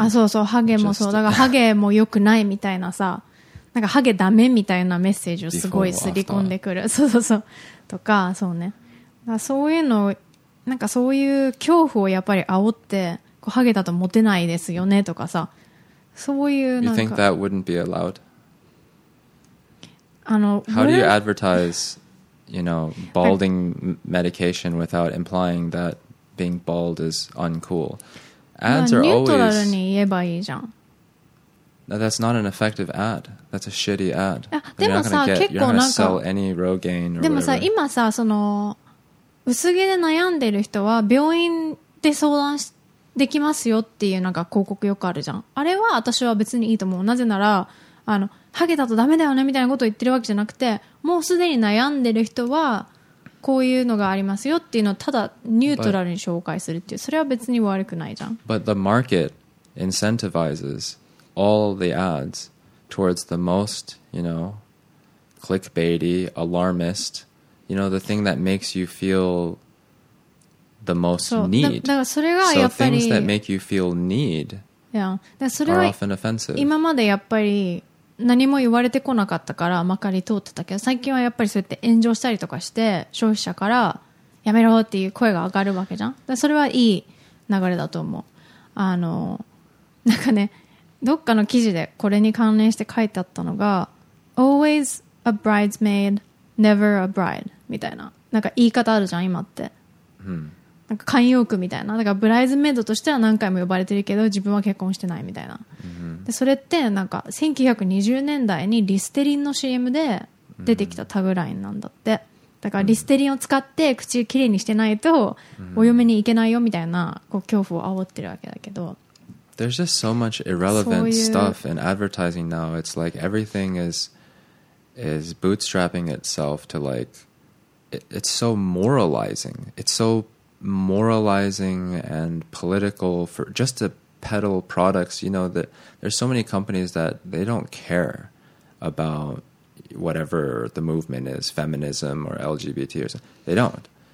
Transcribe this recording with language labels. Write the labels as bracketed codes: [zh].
[ja] あそうそうハゲもそう、だからハゲも良くないみたいなさ、なんかハゲダメみたいなメッセージをすごい刷り込んでくる、そうそうそうとか、そうね、だからそういうのなんかそういう恐怖をやっぱり煽ってこうハゲだとモテないですよねとかさ、そういうなんか [en] You think that wouldn't be allowed? How do you advertise, you know, balding medication without implying that being bald is uncool? Ads are always [ja] ニュートラルに言えばいいじゃん。 [en] That's not an effective ad. That's a shitty ad. [ja] でもさ、結構なんか [en] You're not gonna sell any Rogaine or whatever. [ja] でもさ、今さ、その薄毛で悩んでる人は病院で相談できますよっていうなんか広告よくあるじゃん。あれは私は別にいいと思う。なぜならハゲだとダメだよねみたいなことを言ってるわけじゃなくて、もうすでに悩んでる人はこういうのがありますよっていうのをただニュートラルに紹介するっていう、それは別に悪くないじゃん。 [en] But the market incentivizes all the ads towards the most, you know, clickbaity, alarmist,You know, the thing that makes you feel the most need. [ja] そう、だ、 [en] so things that make you feel need are often offensive. [ja] 今までやっぱり何も言われてこなかったからまかり通ってたけど、最近はやっぱりそうやって炎上したりとかして消費者からやめろっていう声が上がるわけじゃん。だそれはいい流れだと思う。なんかね、どっかの記事でこれに関連して書いてあったのが、 [en] Always a bridesmaid. Never a bride [ja] みたいな、なんか言い方あるじゃん今って、うん、なんか慣用句みたいな、だからブライズメイドとしては何回も呼ばれてるけど自分は結婚してないみたいな、うん、でそれってなんか1920年代にリステリンの CM で出てきたタグラインなんだって。だからリステリンを使って口きれいにしてないとお嫁に行けないよみたいなこう恐怖を煽ってるわけだけど、 [en] There's just so much irrelevant stuff in advertising now. It's like everything is bootstrapping itself to like, it's so moralizing. It's so moralizing and political for just to peddle products. You know, that there's so many companies that they don't care about whatever the movement is, feminism or LGBT or something. They don't.